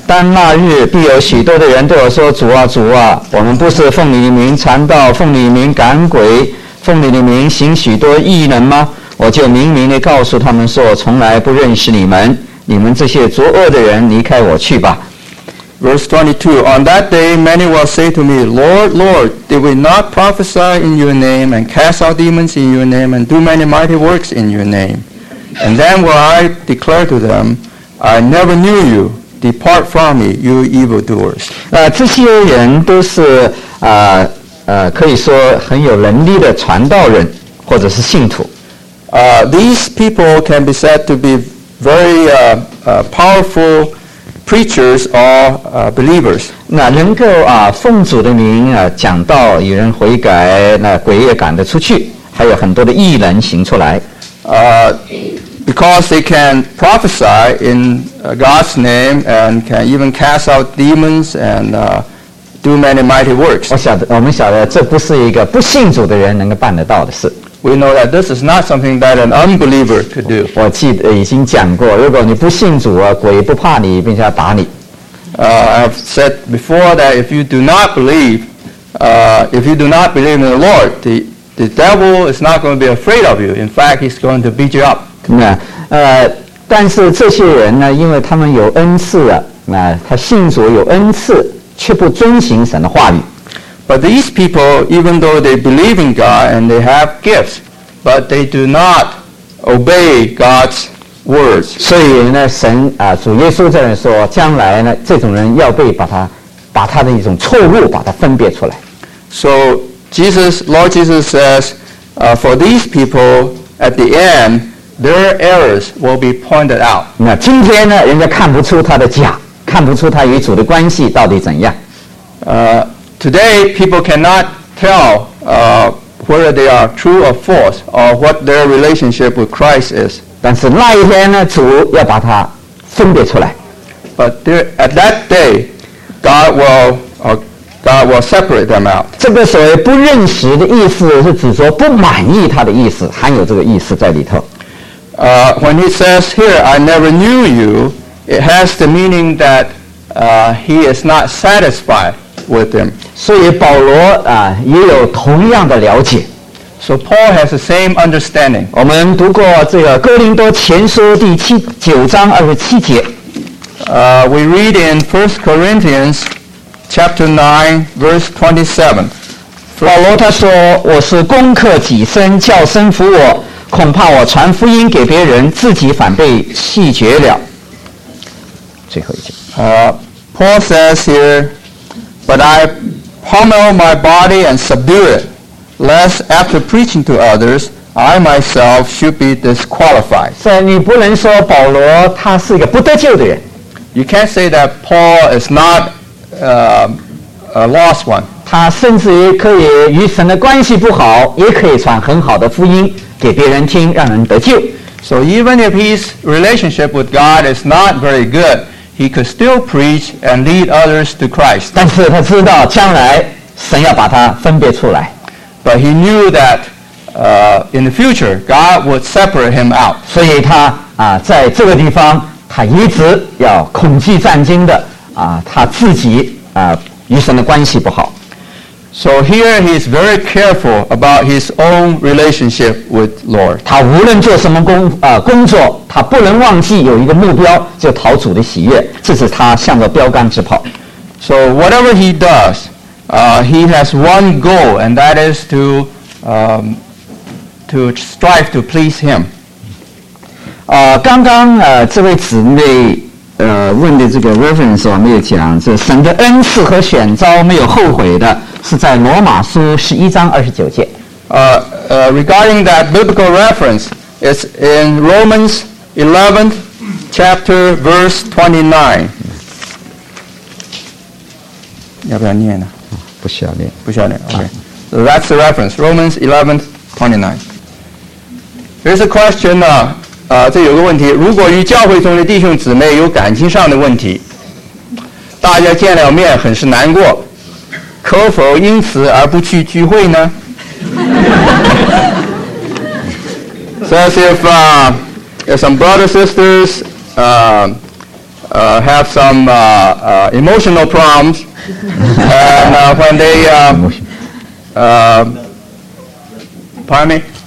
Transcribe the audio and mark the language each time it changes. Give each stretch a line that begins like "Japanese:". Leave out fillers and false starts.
Chinese: 当那日必有许多的人对我说：“主啊，主啊，我们不是奉你的名传道，奉你的名赶鬼，奉你的名行许多异能吗？” 我就明明地告诉他们说：“我从来不认识你们，你们这些作恶的人，离开我去吧。”
English: Verse 22. On that day, many will say to me, Lord, Lord, did we not prophesy in your name and cast out demons in your name and do many mighty works in your name? And then will I declare to them, I never knew you. Depart from me, you evildoers.
Chinese: 这些人都是可以说很有能力的传道人或者是信徒。
English: These people can be said to be very powerful. Preachers or believers.
Chinese: 那能够奉主的名讲道，与人悔改，那鬼也赶得出去，还有很多的异能行出来。
English: Because they can prophesy in God's name and can even cast out demons and do many mighty works.
Chinese: 我们晓得这不是一个不信主的人能够办得到的事。
English: We know that this is not something that an unbeliever could do.
Chinese: 我记得已经讲过，如果你不信主啊，鬼不怕你，并且要打你。
English: I've said before that if you do not believe, if you do not believe in the Lord, the devil is not going to be afraid of you. In fact, he's going to beat you up.
Chinese: 那但是这些人呢，因为他们有恩赐啊，那他信主有恩赐，却不遵行神的话语。
English: But these people, even though they believe in God and they have gifts, but they do not obey God's words.
Chinese: 所以呢，神啊，主耶稣这样说，将来呢，这种人要被把他的一种错误把它分别出来。
English: So Lord Jesus says, for these people, at the end, their errors will be pointed out.
Chinese: 那今天呢，人家看不出他的假，看不出他与主的关系到底怎样。
English: Today, people cannot tell whether they are true or false, or what their relationship with Christ is.
Chinese: 但是那一天呢，主要把它分别出来。
English: But there, at that day, God will separate them out.
Chinese: 这个所谓不认识的意思，是指说不满意他的意思，含有这个意思在里头。
English: When he says here, "I never knew you," it has the meaning that he is not satisfied. With him.
Chinese: 所以保罗也有同样的了解。
English: So Paul has the same understanding.
Chinese: 我们读过这个哥林多前书第七九章二十七节。
English: We read in 1 Corinthians chapter 9 verse 27.
Chinese: 保罗他说：“我是攻克己身，叫身服我，恐怕我传福音给别人，自己反被弃绝了。” 最后一节。
English: Paul says here, but I pummel my body and subdue it, lest after preaching to others, I myself should be disqualified.
Chinese: 所以你不能说保罗他是一个不得救的人。
English: You can't say that Paul is not a lost one.
Chinese: 他甚至于可以与神的关系不好，也可以传很好的福音给别人听，让人得救。
English: So even if his relationship with God is not very good, he could still preach and lead others to Christ.
Chinese: 但是他知道将来神要把他分别出来。
English: But he knew that in the future, God would separate him out.
Chinese: 所以他在这个地方他一直要恐惧战惊的他自己与神的关系不好。
English: So here he is very careful about his own relationship with Lord.
Chinese: 他无论做什么工作，他不能忘记有一个目标，就讨主的喜悦，这是他向着标杆直跑。
English: So whatever he does, he has one goal, and that is to strive to please him.
Chinese: 刚刚这位姊妹问的这个 reference 我没有讲，这神的恩赐和选召没有后悔的。是在罗马书十一章二十九节。
English: Regarding that biblical reference, it's in Romans 11th chapter, verse 29.
Chinese: 要不要念呢？不需要念，不需要念。
English: Okay. So that's the reference, Romans 11th 29. Here's a question
Chinese: 呢，这有个问题：如果与教会中的弟兄姊妹有感情上的问题，大家见了面很是难过。可否因此而不去聚会呢？
English: Says if some brothers and sisters have some emotional problems, and when they pardon me,